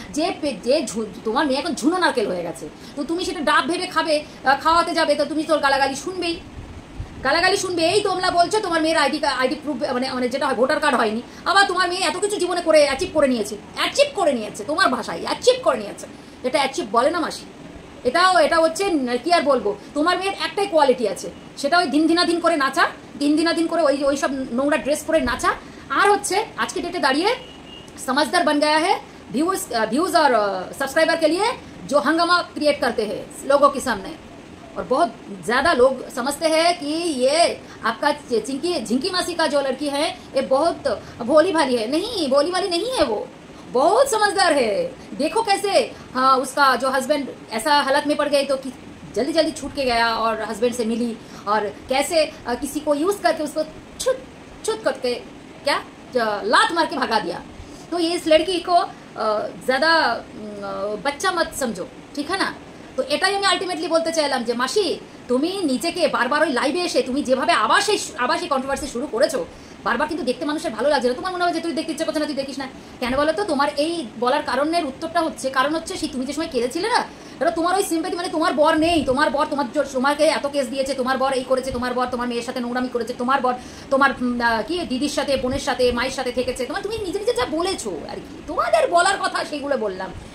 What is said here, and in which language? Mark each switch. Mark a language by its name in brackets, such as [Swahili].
[Bangla] যে তোমার মেয়ে এখন ঝুনো নারকেল হয়ে গেছে, তো তুমি সেটা ডাব ভেবে খাবে খাওয়াতে যাবে, তো তুমি তোর গালাগালি শুনবে এই তোমরা বলছো তোমার মেয়ের আইডি প্রুফ মানে যেটা হয় ভোটার কার্ড হয়নি, আবার তোমার মেয়ে এত কিছু জীবনে করে অ্যাচিভ করে নিয়েছে তোমার ভাষায় অ্যাচিভ করে নিয়েছে, এটা অ্যাচিভ বলে না মাসি, এটা হচ্ছে কি আর বলবো, তোমার মেয়ের একটাই কোয়ালিটি আছে, সেটা ওই দিন দিনাধীন করে ওই সব নোংরা ড্রেস পরে নাচা, আর হচ্ছে আজকে ডেটে দাঁড়িয়ে [Hindi] সমাজদার বন গয়া হ্যায় ভিউজ আর সাবস্ক্রাইবার কে লিয়ে जो हंगामा क्रिएट करते हैं लोगों के सामने, और बहुत ज्यादा लोग समझते हैं कि ये आपका चिंकी झिंकी मासी का जो लड़की है ये बहुत भोली भाली है। नहीं, भोली भाली नहीं है, वो बहुत समझदार है। देखो कैसे हाँ उसका जो हस्बैंड ऐसा हालत में पड़ गए तो जल्दी जल्दी छूट के गया और हस्बैंड से मिली, और कैसे किसी को यूज करके उसको छुट छुट करके क्या लात मार के भगा दिया। तो ये इस लड़की को ज्यादा बच्चा मत समझो, ठीक है ना। [Bangla] तो এটাই আমি আলটিমেটলি বলতে চাইলাম যে মাসি, তুমি নিজেকে বারবার ওই লাইভে এসে তুমি যেভাবে আবাসী কন্ট্রোভার্সি শুরু করেছো, বারবার কিন্তু দেখতে মানুষের ভালো লাগছে না, তোমার মনে হয় যে তুই দেখতে ইচ্ছা করছে না, তুই দেখিস না কেন বলো তো? তোমার এই বলার কারণের উত্তরটা হচ্ছে, কারণ হচ্ছে সেই তুমি যে সময় কেঁদেছিলে না, ধরো তোমার ওই সিম্পাথি মানে তোমার বর নেই, তোমার বর তোমার তোমাকে এত কেস দিয়েছে, তোমার বর এই করেছে, তোমার বর তোমার মেয়ের সাথে নোংরামি করেছে, তোমার বর তোমার কি দিদির সাথে বোনের সাথে মায়ের সাথে থেকেছে, তোমার তুমি নিজে নিজে যা বলেছো আর কি, তোমাদের বলার কথা সেইগুলো বললাম।